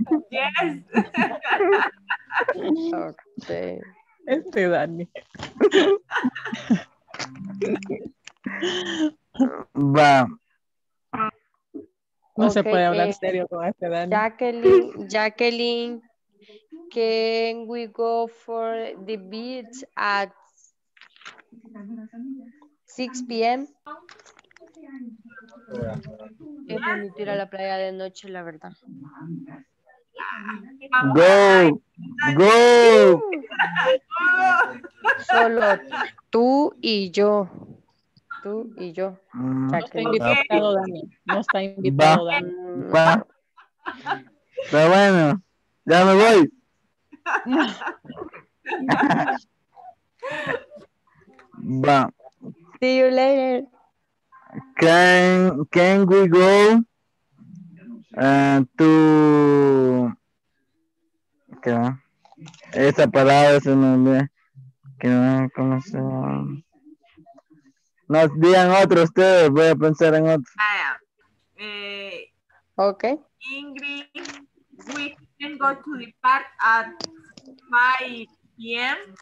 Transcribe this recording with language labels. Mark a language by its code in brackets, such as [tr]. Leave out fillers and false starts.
[en] Yes. [es] Okay. Este Dani. Va. No, okay, se puede hablar serio con este Dani. [en] Jacqueline, can we go for the beach at 6 p.m.? [es] Es bonito ir a la playa de noche, la verdad. [en] Go, go. [es] Solo tú y yo. Tú y yo. No está invitado, va. Dani. No está invitado, va. Dani. Va. Pero bueno, ya me voy. No. Va. [en] See you later. Can we go to... [es] ¿Qué va? Esa palabra se me olvida. ¿Qué va? ¿Cómo se llama? No, digan otro ustedes, voy a pensar en otro. [en] Ok. Ingrid, we can go to the park at 5 p.m.